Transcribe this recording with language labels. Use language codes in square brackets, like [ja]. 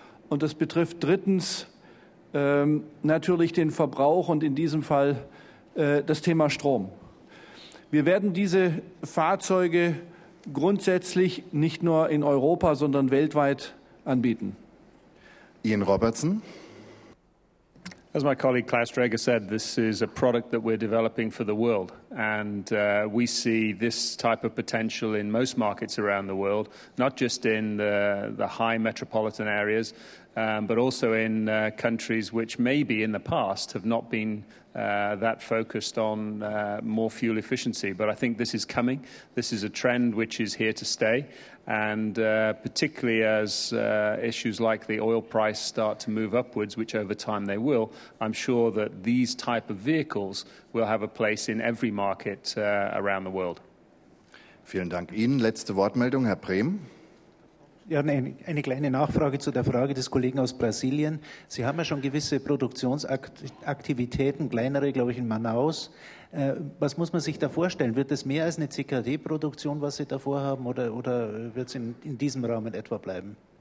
[de] Und das betrifft drittens natürlich den Verbrauch und in diesem Fall das Thema Strom. Wir werden diese Fahrzeuge grundsätzlich nicht nur in Europa, sondern weltweit anbieten. Ian Robertson. [en] As my colleague Klaus Dräger said, this is a product that we're developing for the world. And we see this type of potential in most markets around the world, not just in the high metropolitan areas, but also in countries which maybe in the past have not been that focused on more fuel efficiency. But I think this is coming. This is a trend which is here to stay. And particularly as issues like the oil price start to move upwards, which over time they will, I'm sure that these type of vehicles will have a place in every market around the world. [de] Vielen Dank Ihnen. Letzte Wortmeldung, Herr Prehm. Ja, eine kleine Nachfrage zu der Frage des Kollegen aus Brasilien. Sie haben ja schon gewisse Produktionsaktivitäten, kleinere, glaube ich, in Manaus. Was muss man sich da vorstellen? Wird es mehr als eine CKD-Produktion, was Sie da vorhaben, oder wird es in diesem Rahmen etwa bleiben?